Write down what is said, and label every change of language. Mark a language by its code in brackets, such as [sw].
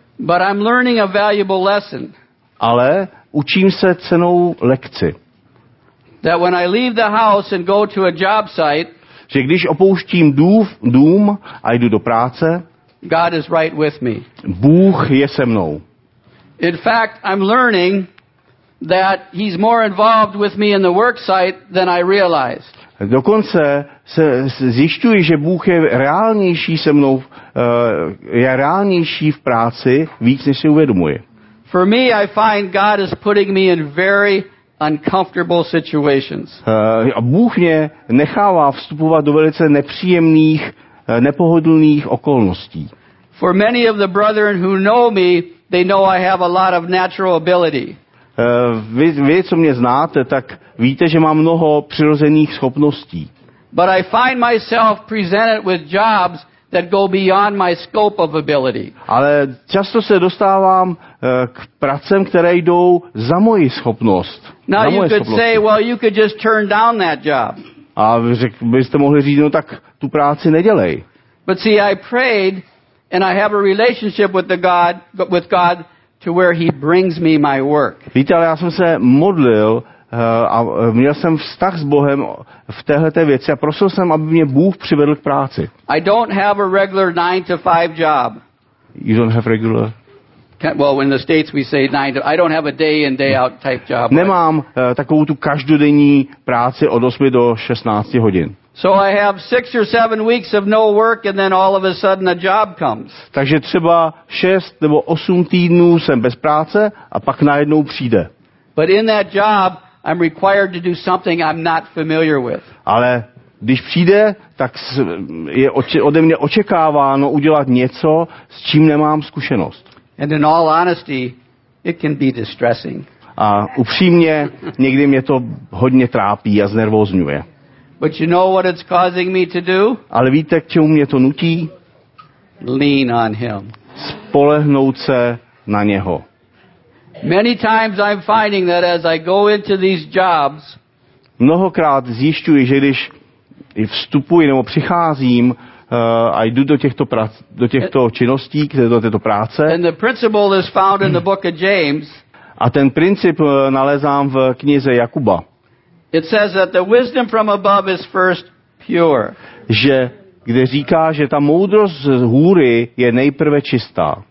[en] But I'm learning a valuable lesson. [cs] Ale učím se cennou lekci. [en] That when I leave the house and go to a job site, [cs] že když opouštím dům a jdu do práce, [en] God is right with me. [cs] Bůh je se mnou. [en] In fact, I'm learning that he's more involved with me in the work site than I realized. [cs] Dokonce se zjišťuji, že Bůh je reálnější se mnou, je reálnější v práci víc, než si uvědomuji. [en] For me, I find God is putting me in very uncomfortable situations. [cs] Bůh mě nechává vstupovat do velice nepříjemných, nepohodlných okolností. [en] For many of the brethren who know me, they know I have a lot of natural ability. [cs] Vy, co mě znáte, tak víte, že mám mnoho přirozených schopností. [en] But I find myself presented with jobs that go beyond my scope of ability. [cs] Ale často se dostávám k pracem, které jdou za moji schopnost. [en] Now [cs] za [en] you could say, well, you could just turn down that job. [cs] A byste mohli říct, no tak tu práci nedělej. [en] But see, I prayed and I have a relationship with God to where he brings me my work. [cs] Víte, ale já jsem se modlil a měl jsem vztah s Bohem v téhleté věci a prosil jsem, aby mě Bůh přivedl k práci. [en] I don't have a regular 9-to-5 job. You don't have regular? Well, in the States we say 9-to-5. I don't have a day in, day out type job. [cs] Nemám takovou tu každodenní práci od 8 do 16 hodin. [en] So I have 6 or 7 weeks of no work and then all of a sudden a job comes. [cs] Takže třeba 6 nebo 8 týdnů jsem bez práce a pak najednou přijde. [en] But in that job I'm required to do something I'm not familiar with. [cs] Ale když přijde, tak je ode mě očekáváno udělat něco, s čím nemám zkušenost. [en] And in all honesty, it can be distressing. [cs] A upřímně, někdy mě to hodně trápí a znervozňuje. [en] But you know what it's causing me to do? [cs] Ale víte, k čemu mě to nutí? [en] Lean on him. [cs] Spolehnout se na něho. [en] Many times I'm finding that as I go into these jobs, [cs] mnohokrát zjišťuji, že když vstupuji nebo přicházím a jdu do těchto činností, do této práce, [en] and the principle is found in the book of James, [cs] a ten princip nalezám v knize Jakuba. [en] It says that the wisdom from above is first pure. [cs] Že, kde říká, že ta moudrost z hůry je nejprve čistá.